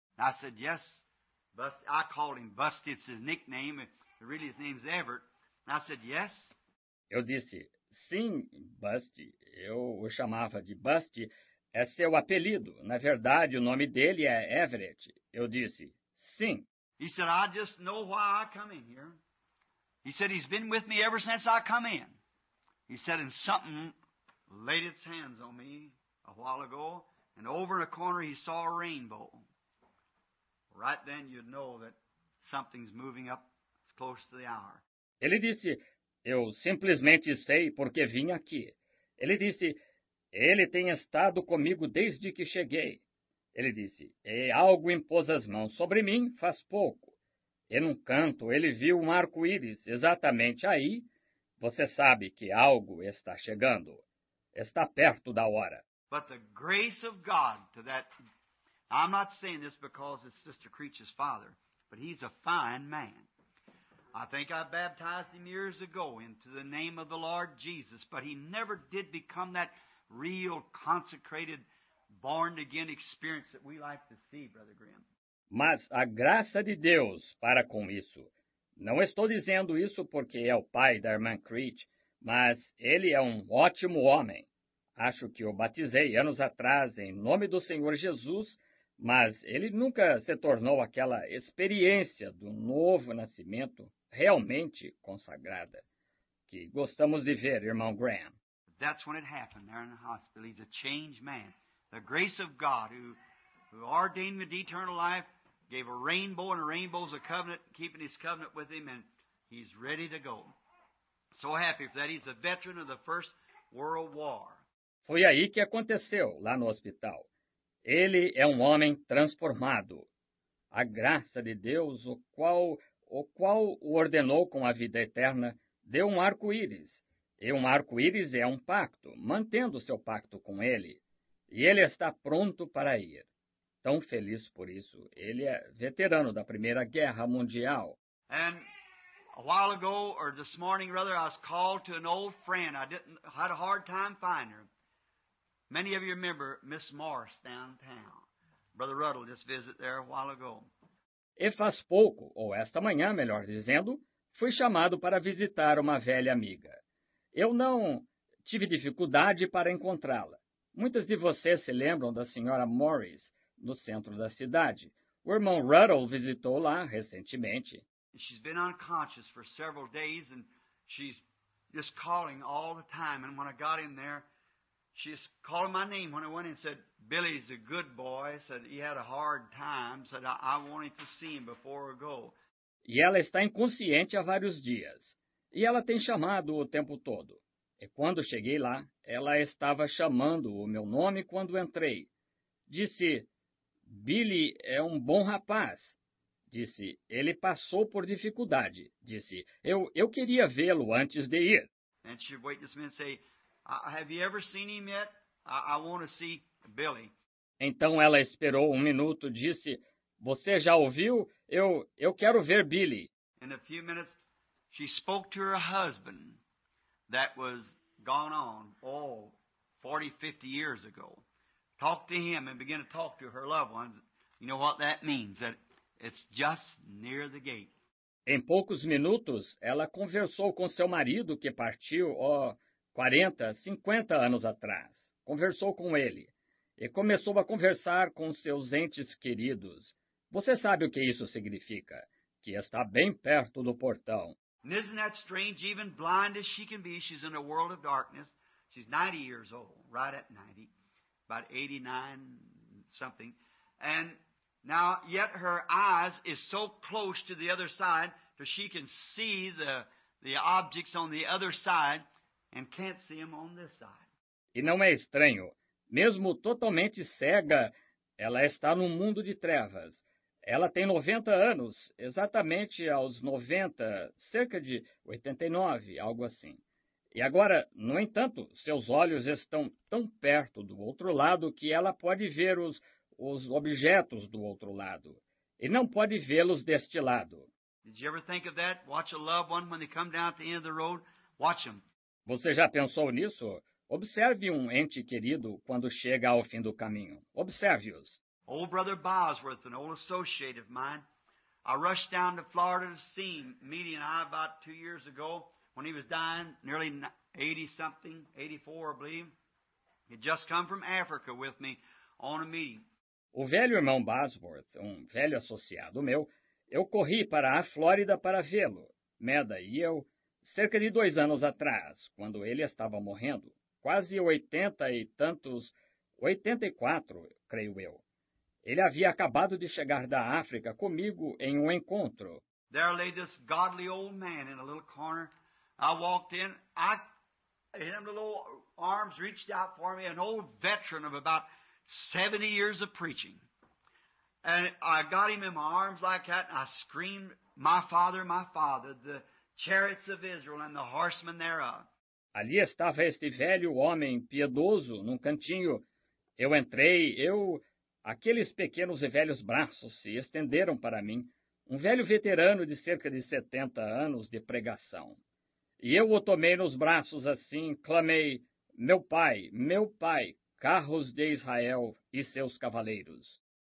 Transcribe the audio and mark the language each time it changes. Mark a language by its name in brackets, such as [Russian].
[English] I said, yes, Busty. I called him Busty, it's his nickname, really his name's Everett. I said, yes. [Portuguese] Eu disse, sim, Busty, eu o chamava de Busty, é seu apelido. Na verdade, o nome dele é Everett. Eu disse, sim. [English] He said, I just know why I come in here. He said, he's been with me ever since I come in. He said, and something laid its hands on me a while ago, and over in a corner he saw a rainbow. Right then you'd know that something's moving up close to the hour. [Portuguese] Ele disse, eu simplesmente sei porque vim aqui. Ele disse, ele tem estado comigo desde que cheguei. Ele disse, e algo impôs as mãos sobre mim faz pouco. E num canto, ele viu um arco-íris exatamente aí. Você sabe que algo está chegando. Está perto da hora. [English] But the grace of God to that... I'm not saying this because it's Sister Creech's father, but he's a fine man. I think I baptized him years ago into the name of the Lord Jesus, but he never did become that real consecrated born again experience that we like to see, Brother Grimm. [Portuguese] Mas a graça de Deus para com isso. Não estou dizendo isso porque é o pai da irmã Creech, mas ele é um ótimo homem. Acho que o batizei anos atrás em nome do Senhor Jesus, mas ele nunca se tornou aquela experiência do novo nascimento realmente consagrada que gostamos de ver, irmão Graham. [English] That's when it happened there in the hospital. He's a changed man. The grace of God who ordained him to eternal life gave a rainbow, and a rainbow's a covenant, keeping his covenant with him, and he's ready to go. So happy for that. He's a veteran of the First World War. [Portuguese] Foi aí que aconteceu, lá no hospital. Ele é um homem transformado. A graça de Deus, o qual o ordenou com a vida eterna, deu um arco-íris. E um arco-íris é um pacto, mantendo seu pacto com ele. E ele está pronto para ir. Tão feliz por isso. Ele é veterano da Primeira Guerra Mundial. [English] And a while ago, or this morning rather, I was called to an old friend. I didn't had a hard time finding her. Many of you remember Miss Morris downtown. Brother Ruddle just visited there a while ago. [Portuguese] E faz pouco, ou esta manhã, melhor dizendo, fui chamado para visitar uma velha amiga. Eu não tive dificuldade para encontrá-la. Muitas de vocês se lembram da senhora Morris, no centro da cidade. O irmão Ruddle visitou lá recentemente. [English] She's been unconscious for several days, and she's just calling all the time. And when I got in there, she just called my name when I went in and said, Billy's a good boy, said he had a hard time, said I wanted to see him before I go. [Portuguese] E ela está inconsciente há vários dias. E ela tem chamado o tempo todo. E quando cheguei lá, ela estava chamando o meu nome quando entrei. Disse, Billy é um bom rapaz. Disse, ele passou por dificuldade. Disse, eu queria vê-lo antes de ir. [English] And she wait just a minute and say, have you ever seen him yet? I want to see Billy. [Portuguese] Então ela esperou um minuto, disse, você já ouviu? Eu quero ver Billy. [English] In a few minutes, she spoke to her husband. That was gone on all 40, 50 years ago. Talk to him and begin to talk to her loved ones. You know what that means? That it's just near the gate. [Portuguese] Em poucos minutos, ela conversou com seu marido que partiu, 40, 50 anos atrás. Conversou com ele e começou a conversar com seus entes queridos. Você sabe o que isso significa? Que está bem perto do portão. [English] And isn't that strange? Even blind as she can be, she's in a world of darkness. She's 90 years old, right at 90, about 89 something. And now, yet her eyes is so close to the other side that she can see the objects on the other side and can't see them on this side. [Portuguese] E não é estranho. Mesmo totalmente cega, ela está num mundo de trevas. Ela tem 90 anos, exatamente aos 90, cerca de 89, algo assim. E agora, no entanto, seus olhos estão tão perto do outro lado que ela pode ver os objetos do outro lado. E não pode vê-los deste lado. [English] Did you ever think of that? Watch a loved one when they come down at the end of the road. Watch them. [Portuguese] Você já pensou nisso? Observe um ente querido quando chega ao fim do caminho. Observe-os. [English] Old Brother Bosworth, an old associate of mine, I rushed down to Florida to see him, meeting him about 2 years ago when he was dying, nearly 80-something, 84, I believe. He'd just come from Africa with me on a meeting. [Portuguese] O velho irmão Bosworth, um velho associado meu, eu corri para a Flórida para vê-lo, Meda e eu, cerca de 2 anos atrás, quando ele estava morrendo, quase 80 e tantos, 84, creio eu. Ele havia acabado de chegar da África comigo em um encontro. [English] There lay this godly old man in a little corner. I walked in, his little arms reached out for me, an old veteran of about 70 years of preaching. And I got him in my arms like that, and I screamed, my father, the chariots of Israel and the horsemen thereof. [Portuguese] Ali estava este velho homem piedoso num cantinho. Eu entrei, aqueles pequenos e velhos braços se estenderam para mim, um velho veterano de cerca de 70 anos de pregação. E eu o tomei nos braços assim, clamei, meu pai, carros de Israel e seus cavaleiros.